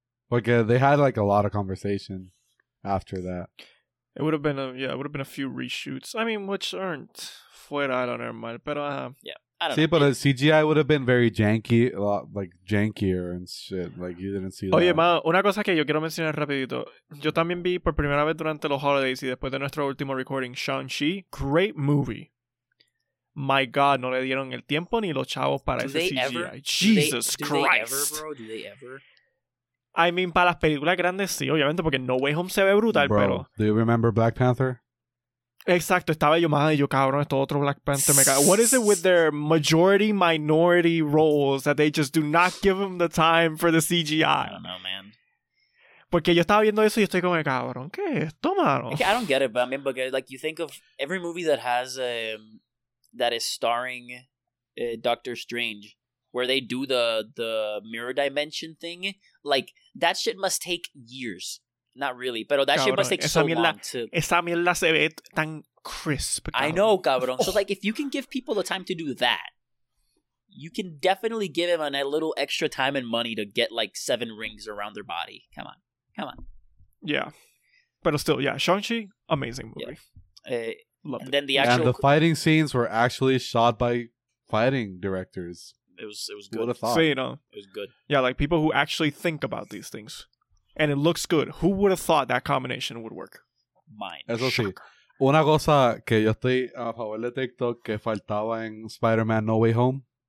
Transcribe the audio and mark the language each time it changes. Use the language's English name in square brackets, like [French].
[Spanish] Porque [English] they had, like, a lot of conversation after that. It would have been a few reshoots. I mean, which aren't [Spanish] fuera de lo normal, pero [English] I don't know. See, but the CGI would have been very janky, a lot, like, jankier and shit. Like, you didn't see that. [Spanish] Oye, Mao, una cosa que yo quiero mencionar rapidito. Yo también vi por primera vez durante los holidays y después de nuestro último recording, Shang-Chi. [English] Great movie. My God, [Spanish] no le dieron el tiempo ni los chavos para [English] do [Spanish] ese CGI. [English] Ever, Jesus do Christ. They, do they ever, bro? Do they ever? I mean, [Spanish] para las películas grandes, sí, obviamente, porque No Way Home se ve brutal, [English] bro, [Spanish] pero... [English] Do you remember Black Panther? [Spanish] Exacto, estaba yo, madre, yo, cabrón, esto otro Black Panther. [English] What is it with their majority-minority roles that they just do not give them the time for the CGI? I don't know, man. [Spanish] Porque yo estaba viendo eso y estoy como, cabrón, ¿qué es esto, mano? [English] I don't get it, but I mean, because, like, you think of every movie that has, that is starring Doctor Strange, where they do the mirror dimension thing, like, that shit must take years. Not really, but that shit must take so long to... [Spanish] Esa mierda se ve tan crisp, cabrón. [English] I know, cabrón. So, like, if you can give people the time to do that, you can definitely give them a little extra time and money to get, like, 7 rings around their body. Come on. Come on. Yeah. But still, yeah, Shang-Chi, amazing movie. Yeah. And then the actual... And the fighting scenes were actually shot by fighting directors. It was good. Who would have thought? So, you know. It was good. Yeah, like, people who actually think about these things. And it looks good. Who would have thought that combination would work? Mine. [Spanish] Eso sí. Una cosa que yo estoy a favor de TikTok que faltaba en Spider-Man No Way Home.